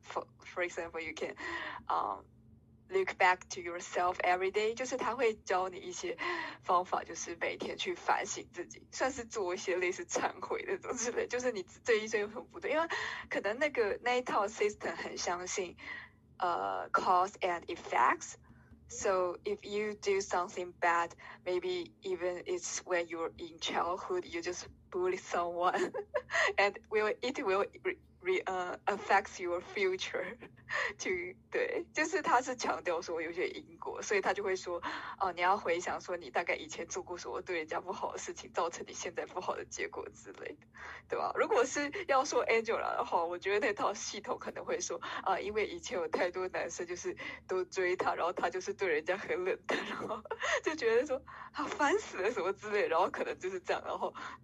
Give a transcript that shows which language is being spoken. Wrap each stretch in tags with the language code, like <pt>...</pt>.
<en>For example, you can look back to yourself every day.</en> <zh>就是他会教你一些方法，就是每天去反省自己，算是做一些类似忏悔的东西。就是你这一生有什么不对？因为可能那一套 system 很相信。</zh> <en>Cause and effects. So if you do something bad, maybe even it's when you're in childhood, you just bully someone, and it will affect your future.</en> <zh>对，就是他是强调说有些因果，所以他就会说，哦，你要回想说你大概以前做过什么对人家不好的事情，造成你现在不好的结果之类的，对吧？如果是要说 Angela 的话，我觉得那套系统可能会说，啊，因为以前有太多男生就是都追他，然后他就是对人家很冷淡，然后就觉得说啊烦死了什么之类，然后可能就是这样，然后。</zh>